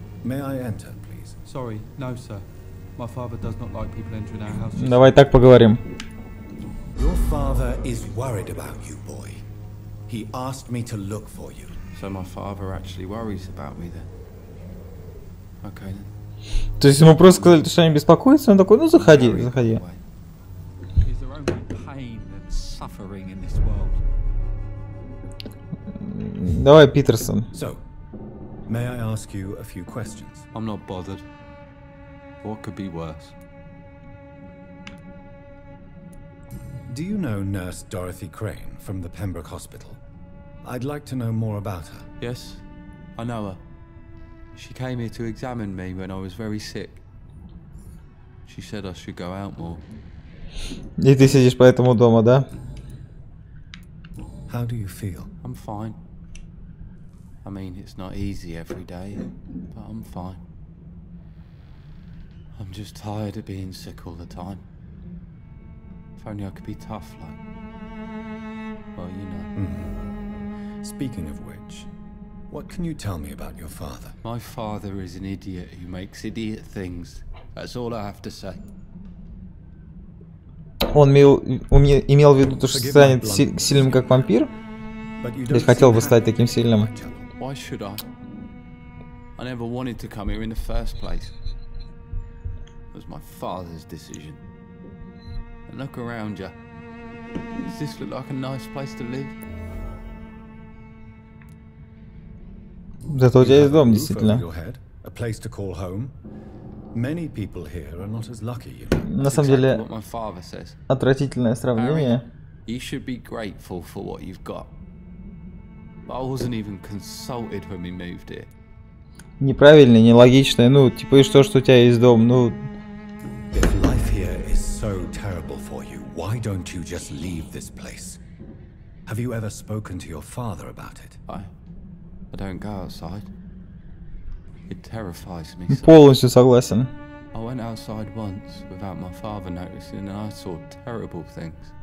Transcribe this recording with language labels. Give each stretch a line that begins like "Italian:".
English: May I enter, please? Sorry, no, sir. My father does not like people entering our house.
Russian: Давай так поговорим.
English: Your father is worried about you, boy. He asked me to look for you. So my father actually worries about me then. Okay.
Russian: То есть ему просто сказали, что они беспокоятся, он такой: "Ну, заходи, заходи".
English: Is there only pain and suffering in this world?
Russian: Давай, Питерсон.
English: So, may I ask you a few questions? I'm not bothered. What could be worse? Do you know Nurse Dorothy Crane from the Pembroke Hospital? I'd like to know more about her. Yes, I know her. She came here to examine me when I was very sick. She said I should go out more.
Russian: И ты сидишь поэтому дома, да?
English: How do you feel? I'm fine. I mean, it's not easy every day, but I'm fine. I'm just tired of being sick all the time. If only I could be tough, like... Well, you know. Mm-hmm. Speaking of which, what can you tell me about your father? My father is an idiot who makes idiot things. That's all I have to say.
Russian: Он имел в виду то, что станет сильным как вампир? Или хотел бы стать таким сильным?
English: Why should I? I never wanted to come here in the first place. It was my father's decision. And look around ya. Does this look like a nice place to live?
Russian: Зато у тебя есть дом, действительно.
English: A place to call home. Many people here are not as lucky.
Russian: На самом деле,
English: what my father says.
Russian: Отвратительное сравнение.
English: You should be grateful for what you've got. But I wasn't even consulted when we moved here.
Russian: Неправильно, нелогично. Ну, типа, и что у тебя есть дом? Ну.
English: If life here is so terrible for you, why don't you just leave this place? Have you ever spoken to your father about it? I don't go outside. It terrifies me.
Russian: Полностью согласен.
English: I went outside once without my father noticing, and I saw terrible things.